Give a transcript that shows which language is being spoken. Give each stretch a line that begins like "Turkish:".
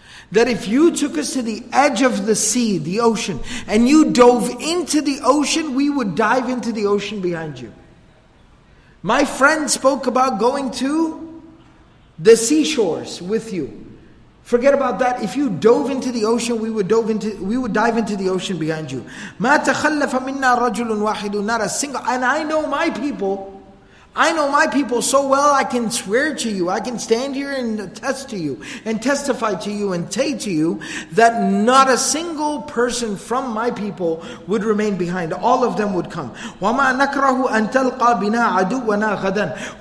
English: That if you took us to the edge of the sea, the ocean, and you dove into the ocean, we would dive into the ocean behind you. My friend spoke about going to the seashores with you. Forget about that. If you dove into the ocean, we would dive into the ocean behind you.
Arabic: مَا تَخَلَّفَ مِنَّا رَجُلٌ وَاحِدٌ,
English: not a single. And I know my people so well, I can swear to you, I can stand here and attest to you, and testify to you and say to you that not a single person from my people would remain behind. All of them would come.
Arabic: وَمَا نَكْرَهُ أَن تَلْقَى بِنَا عَدُوَّنَا غَدًا.